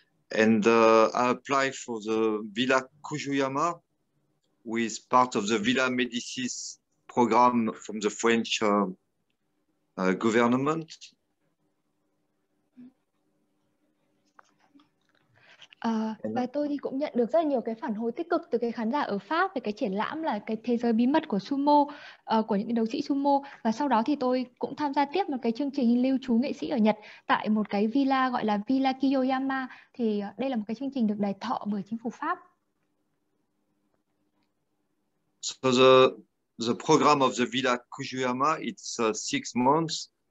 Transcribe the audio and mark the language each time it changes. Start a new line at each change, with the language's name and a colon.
English: And I applied for the Villa Kujuyama, who is part of the Villa Medicis program from the French government.
Vietnamese: Và tôi thì cũng nhận được rất là nhiều cái phản hồi tích cực từ cái khán giả ở Pháp về cái triển lãm là cái thế giới bí mật của sumo, của những đấu sĩ sumo. Và sau đó thì tôi cũng tham gia tiếp một cái chương trình lưu trú nghệ sĩ ở Nhật tại một cái villa gọi là Villa Kiyoyama. Thì đây là một cái chương trình được đài thọ bởi chính phủ Pháp.
English: So the program of the Villa Kujuyama, it's 6 months.